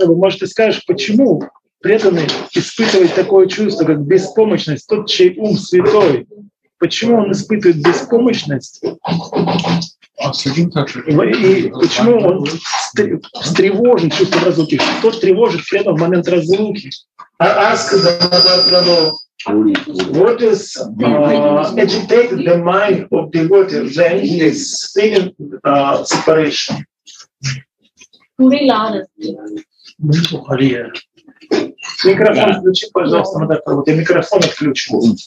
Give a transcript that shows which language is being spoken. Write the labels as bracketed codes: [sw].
[ru] может, ты скажешь, почему преданный испытывает такое чувство, как беспомощность, тот, чей ум святой? почему он испытывает беспомощность? И почему он встревожен, чувствует разлуки? Что тревожит Фреда в момент разлуки? [en] What is agitated the mind of the devotee when he is feeling separation? [ru] Микрофон включи, пожалуйста, надо вот я микрофон отключу.